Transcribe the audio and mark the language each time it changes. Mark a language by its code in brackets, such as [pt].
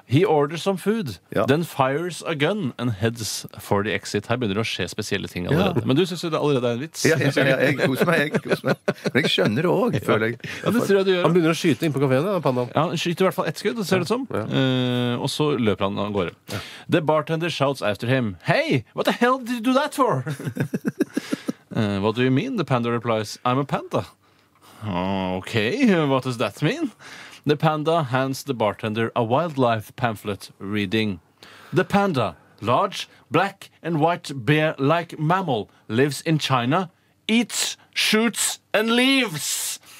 [en] He orders some food, then fires a gun and heads for the exit. [no] Her begynner det å skje spesielle ting allerede. Men du synes jo det allerede er en vits. Ja, jeg koser meg. Men jeg skjønner det også, føler jeg. Ja, det tror jeg du gjør. Han begynner å skyte inn på kaféen, da, pandaen. Ja, han skyter i hvert fall et skudd, ser det som. Og så løper han og går. [en] The bartender shouts after him, hey, what the hell did you do that for? What do you mean? The panda replies, I'm a panda. Okay, what does that mean? The panda hands the bartender a wildlife pamphlet reading, the panda, large, black and white bear-like mammal, lives in China, eats, shoots and leaves.